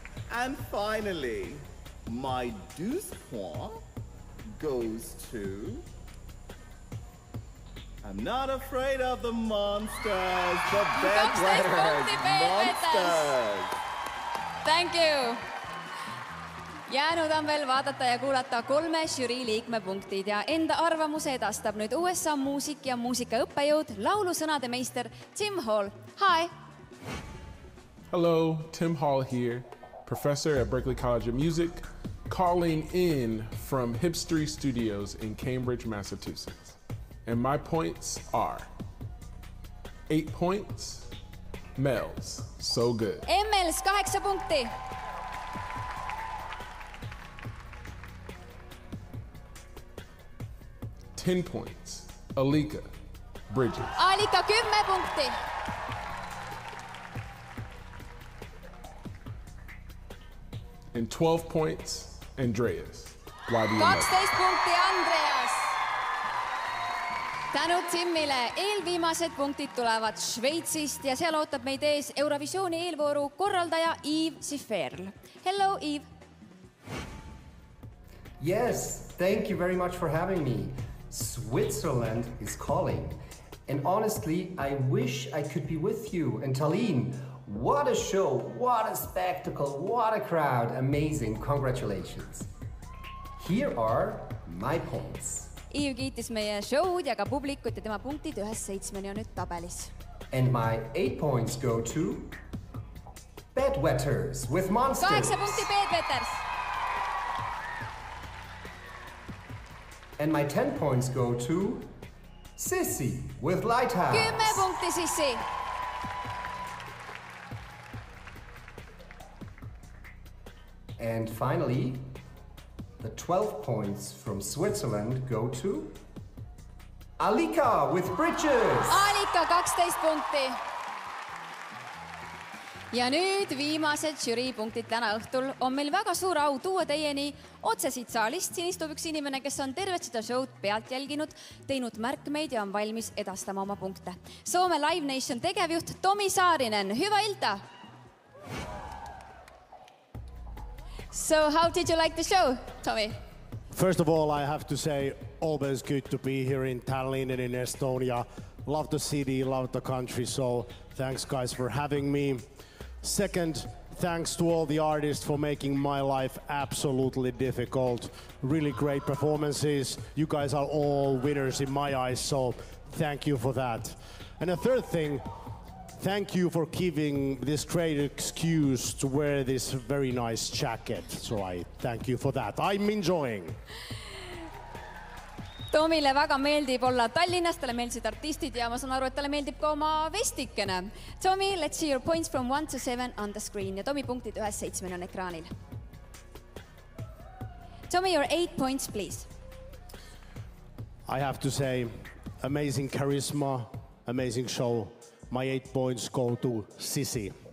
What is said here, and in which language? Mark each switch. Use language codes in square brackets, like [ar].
[en] And finally, my douce point goes to... I'm not afraid of the monsters, the Bedwetters, monsters! Thank you! [et] Jäänud on veel vaadata ja kuulata kolme žürii liikme punktid ja enda arvamuse edastab nüüd USA muusik ja muusika õppejõud, laulusõnade meister Tim Hall. [en] Hi! Hello, Tim Hall here. Professor at Berklee College of Music, calling in from Hipstery Studios in Cambridge, Massachusetts. And my points are 8 points, Mels, so good. [et] Mels, 8 punkti. [en] Ten points, Alika, Bridges. [et] Alika, 10 punkti. [en] 12 points, Andreas. Why do you [et] 12 punkti, Andreas. Tänu Timmile. Eelviimased punktid tulevad Sveitsist ja seal ootab meid ees Eurovisiooni eelvooru korraldaja Yves Siferl. [en] Hello, Yves. Yes, thank you very much for having me. Switzerland is calling. And honestly, I wish I could be with you and Tallinn. What a show, what a spectacle, what a crowd. Amazing, congratulations. Here are my points. [et] Iiv kiitis meie showd ja ka publikut ja tema punktid ühes seitsmeni on nüüd tabelis. [en] And my 8 points go to Bedwetters with Monsters. [et] 8 punkti Bedwetters. [en] And my 10 points go to Sissi with Lighthouse. [et] 10 punkti Sissi. [en] And finally, the 12 points from Switzerland go to Alika with Bridges. [et] Alika, 12 punkti. Ja nüüd viimased žürii punktid täna õhtul. On meil väga suur au tuua teieni otsesid saalist. Siin istub üks inimene, kes on tervet seda showd pealt jälginud, teinud märkmeid ja on valmis edastama oma punkte. Soome Live Nation tegevjuht Tomi Saarinen. [fi] Hyvä ilta! [en] So how did you like the show, Tommy? First of all, I have to say, always good to be here in Tallinn and in Estonia. Love the city, love the country, so thanks guys for having me. Second, thanks to all the artists for making my life absolutely difficult. Really great performances. You guys are all winners in my eyes, so thank you for that. And the third thing, thank you for giving this great excuse to wear this very nice jacket. So I thank you for that. I'm enjoying. [et] Tomile väga meeldib olla Tallinnas, tale meeldisid artistid ja ma saan aru, et tale meeldib ka oma vestikene. [en] Tomi, let's see your points from 1 to 7 on the screen. [et] Ja Tomi punktid 1-7 on ekraanil. [en] Tomi, your 8 points, please. I have to say, amazing charisma, amazing show. My 8 points go to Sissi.